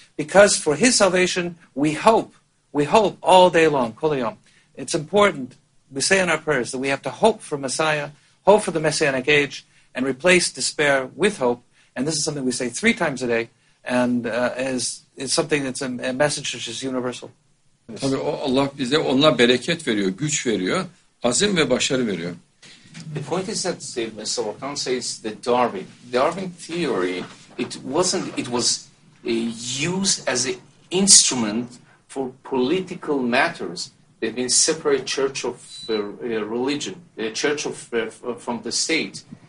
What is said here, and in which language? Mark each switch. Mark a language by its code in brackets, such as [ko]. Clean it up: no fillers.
[en] Because for his salvation, we hope all day long, [he] kol yom. [en] It's important, we say in our prayers, that we have to hope for Messiah, hope for the Messianic age, and replace despair with hope. And this is something we say 3 times a day, and is something that's a message which is universal. [tr] Tabii o Allah bize onunla bereket veriyor, güç veriyor, azim ve başarı veriyor. [en] The point is that Mr. Lacan says that Darwin theory, it was used as an instrument for political matters, that means separate church of religion, church of from the state.